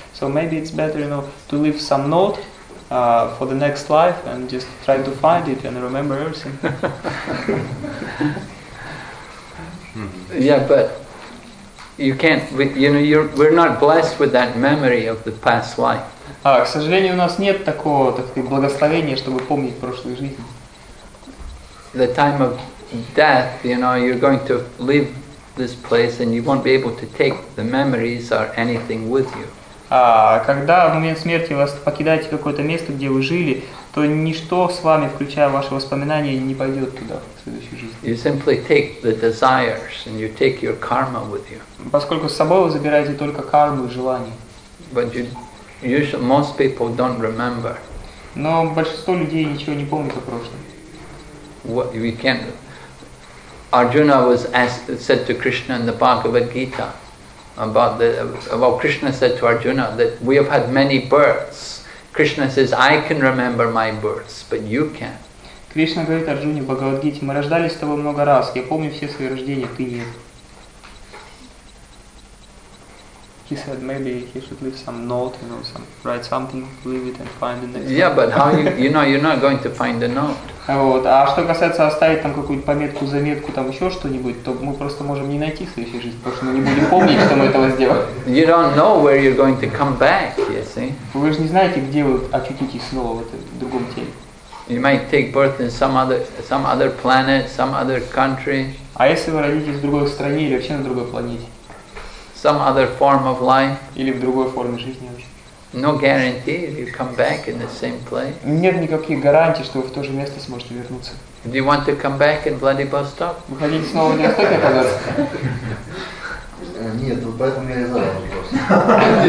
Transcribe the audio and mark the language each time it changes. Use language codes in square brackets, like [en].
[en] So maybe it's better, you know, to leave some note for the next life and just try to find it and remember everything. Yeah, but you can't. You know, we're not blessed with that memory of the past life. [ru] К сожалению, у нас нет такого, так сказать, благословения, чтобы помнить прошлую жизнь. [en] The time of death, you know, you're going to leave this place, and you won't be able to take the memories or anything with you. [ru] Когда в момент смерти вас покидаете какое-то место, где вы жили, то ничто с вами, включая ваши воспоминания, не пойдет туда, в следующую жизнь. [en] You simply take the desires and you take your karma with you. [ru] Поскольку с собой вы забираете только карму и желания. [en] But usually most people don't remember. [ru] Но большинство людей ничего не помнит о прошлом. [en] What we can do. Arjuna was said to Krishna in the Bhagavad Gita about the, well, Krishna said to Arjuna that we have had many births. Krishna says, I can remember my births, but you can't. [ru] Кришна говорит Арджуне в Бхагавад-гите, мы рождались с тобой много раз, я помню все свои рождения, ты нет. [en] He said maybe he should leave some note, you know, some write something, leave it and find the next. Yeah, note. But how you know you're not going to find the note. [ru] Вот. А что касается оставить там какую-нибудь пометку, заметку, там еще что-нибудь, то мы просто можем не найти в следующей жизни, потому что мы не будем помнить, что мы этого сделали. [en] You don't know where you're going to come back, you see. [ru] Вы же не знаете, где вы очутитесь снова в этом другом теле. [en] You might take birth in some other planet, some other country. [ru] А если вы родитесь в другой стране или вообще на другой планете? [en] Some other form of life. [ru] Или в другой форме жизни вообще. [en] No guarantee you come back in the same place. [ru] Нет никаких гарантий, что вы в то же место сможете вернуться. [en] Do you want to come back in Vladivostok? [ru] Вы хотите снова в Владивосток оказаться? Нет, вот поэтому я и задал вопрос.